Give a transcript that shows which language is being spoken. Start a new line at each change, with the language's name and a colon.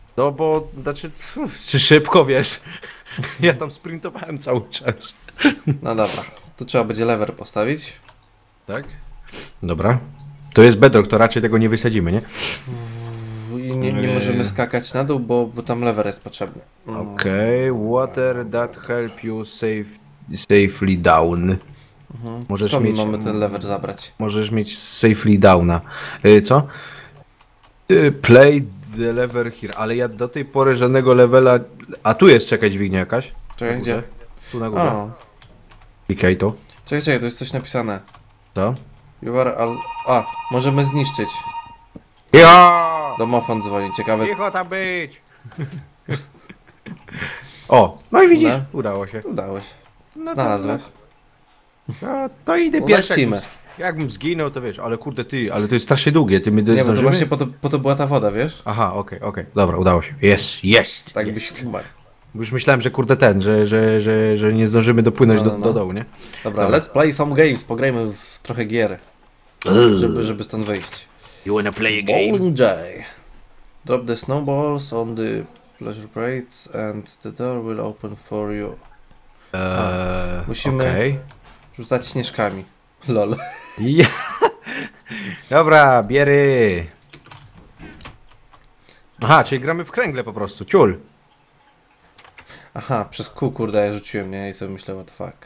Polish: No bo, znaczy, czy szybko, wiesz? Ja tam sprintowałem cały czas. No dobra. Tu trzeba będzie lever postawić. Tak? Dobra. To jest bedrock, to raczej tego nie wysadzimy, nie? I nie możemy skakać na dół, bo tam lever jest potrzebny. Okej, okay.
English: Water that help you safely down. Mhm.
Polish: Możesz mieć, mamy ten lever zabrać? Możesz mieć safely downa.
English: Co? Play the lever here.
Polish: Ale ja do tej pory żadnego levela... A tu jest, czekaj, dźwignia jakaś. Czekaj, gdzie? Tu na górze. Klikaj to. Czekaj, to jest coś napisane. Co? You are all... A, możemy zniszczyć. Ja! Domofon dzwoni, ciekawe. Cicho tam być! O, no i widzisz, udało się. Udało się. Znalazłeś. No to idę pierwszy. Jakbym zginął, to wiesz, ale kurde ty, ale to jest strasznie długie, ty mnie zdążymy? Nie, bo to właśnie po to była ta woda, wiesz? Aha, okej. Dobra, udało się. Jest! Tak jest. Byś chyba. Już myślałem, że kurde ten, że nie zdążymy dopłynąć do dołu, nie? Dobra, let's play some games, pograjmy w trochę gier, żeby stąd wyjść.
English: You wanna play a game? Bowling Jay. Drop the snowballs on the pleasure plates and the door will open for you.
Polish: Musimy rzucać śnieżkami.
English: Lol.
Polish: Dobra, biery. Aha, czyli gramy w kręgle po prostu, ciul. Aha, przez Q, kurde, ja rzuciłem, nie? I sobie myślę, what the fuck.